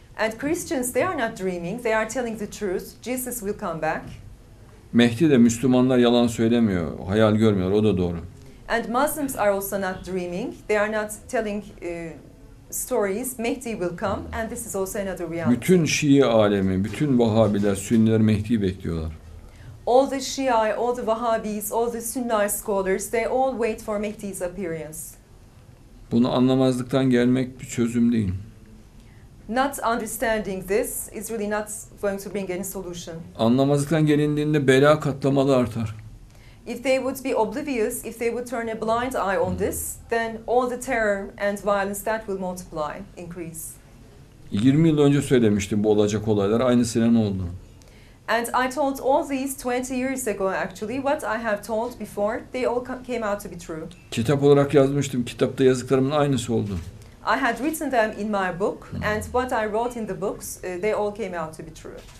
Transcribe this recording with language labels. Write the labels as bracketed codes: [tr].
[en] And Christians, they are not dreaming. They are telling the truth. Jesus will come back. [tr] Mehdi de Müslümanlar yalan söylemiyor. Hayal görmüyor. O da doğru. [en] And Muslims are also not dreaming. They are not telling stories. Mehdi will come and this is also another reality. [tr] Bütün Şii alemi, bütün Vahabiler, Sünniler Mehdi'yi bekliyorlar. [en] All the Shia, all the Wahhabis, all the Sunni scholars, they all wait for Mehdi's appearance. [tr] Bunu anlamazlıktan gelmek bir çözüm değil. [en] Not understanding this is really not going to bring any solution. [tr] Anlamazlıktan gelindiğinde bela katlamalı artar. [en] If they would be oblivious, if they would turn a blind eye on this, then all the terror and violence that will multiply, increase. [tr] 20 yıl önce söylemiştim bu olacak olaylar, aynısı ne oldu? [en] And I told all these 20 years ago actually, what I have told before, they all came out to be true. [tr] Kitap olarak yazmıştım, kitapta yazdıklarımın aynısı oldu. [en] I had written them in my book and what I wrote in the books, they all came out to be true.